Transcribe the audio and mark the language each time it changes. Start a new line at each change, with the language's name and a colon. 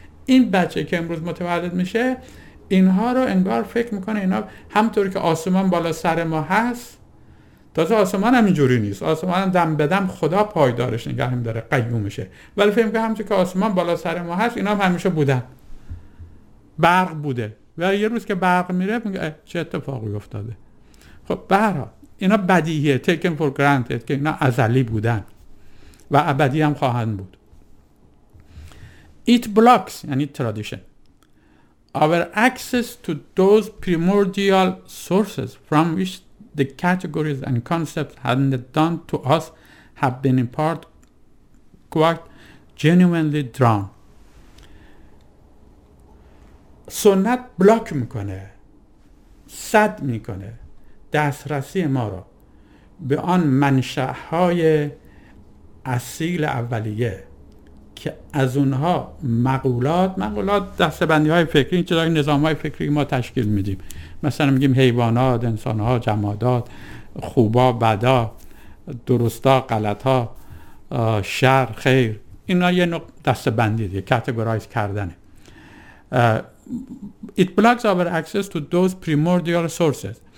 Persian: این بچه که امروز متولد میشه اینها رو انگار فکر میکنه اینا همطوری که آسمان بالا سر ما هست، تازه آسمان هم اینجوری نیست، آسمان هم دم به دم خدا پایدارش نگه هم داره قیومشه، ولی فهم که همچه که آسمان بالا سر ما هست اینا هم همیشه بودن، برق بوده و یه روز که برق میره میگه چه اتفاقی افتاده. خب برها اینا بدیهیه،
English: taken for granted،
Persian: که اینا ازلی بودن و ابدی هم خواهند بود.
English: It blocks،
Persian: یعنی
English: tradition، our access to those primordial sources from which the categories and concepts handed down to us have been in part quite genuinely drawn.
Persian: سنت بلاک میکنه، سد میکنه دسترسی ما را به آن منشأ های اصیل اولیه که از اونها مقولات دستبندی های فکری، این چیزای نظام های فکری ما تشکیل میدیم. مثلا میگیم حیوانات، انسانها، جمادات، خوبا، بدا، درستا، غلطا، شر، خیر، اینا یه نوع دستبندی دیگه، کاتگورایز کردنه.
English: It blocks our access to those primordial sources.